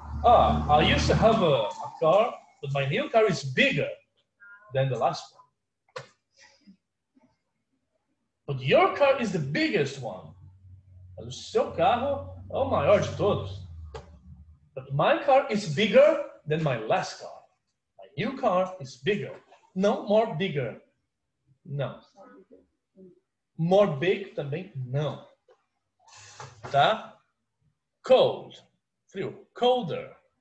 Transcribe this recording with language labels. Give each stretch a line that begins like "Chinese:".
English: Ah, I used to have a car, but my new car is bigger than the last one. But your car is the biggest one.
Portuguese: O seu carro é o maior de todos.
English: But my car is bigger than my last car. My new car is bigger. No more bigger. No. More big também? No. Tá? Cold. Frio. Colder.